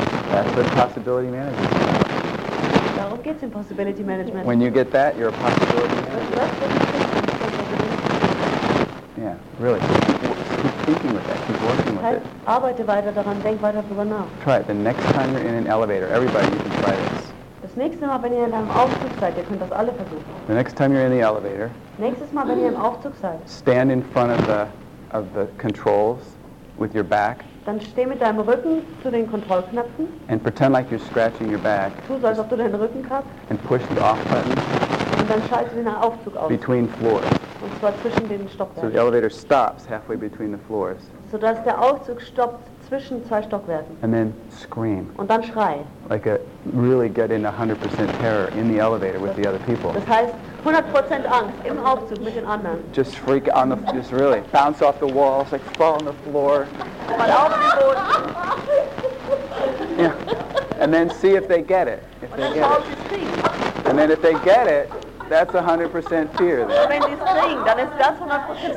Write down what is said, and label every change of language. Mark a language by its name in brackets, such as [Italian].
[English] That's what possibility management is. [German] Darum geht's in possibility management. [English] When you get that, you're a possibility manager. Yeah, really. Keep thinking with that. Keep working with it. [German] Arbeite weiter daran. Denk weiter darüber nach. [English] Try it. The next time you're in an elevator, everybody, you can try this. [German] Das nächste Mal, wenn ihr in einem Aufzug seid, ihr könnt das alle versuchen. [English] The next time you're in the elevator. [German] Nächstes Mal, wenn ihr im Aufzug seid. [English] Stand in front of the controls with your back. [German] Dann steh mit deinem Rücken zu den Kontrollknöpfen. [English] And pretend like you're scratching your back. [German] Tu so, als ob du deinen Rücken kratzt. [English] And push the off button. [German] Und dann schalte den Aufzug aus. [English] Between floors. [German] Und zwar zwischen den Stockwerken. [English] So the elevator stops halfway between the floors. [German] So dass der Aufzug stoppt zwischen zwei Stockwerken. [English] And then scream. [German] Und dann schrei. [English] Like a really get in 100% terror in the elevator with the other people. [German] Das heißt 100% Angst im Aufzug mit den anderen. [English] Just freak on the, just really bounce off the walls, like fall on the floor. [German] Fall auf den Boden. [English] Yeah. And then see if they get it. If [German] und [English] they get it. And then if they get it, that's 100% fear. [German] Wenn die es kriegen, dann ist das 100%.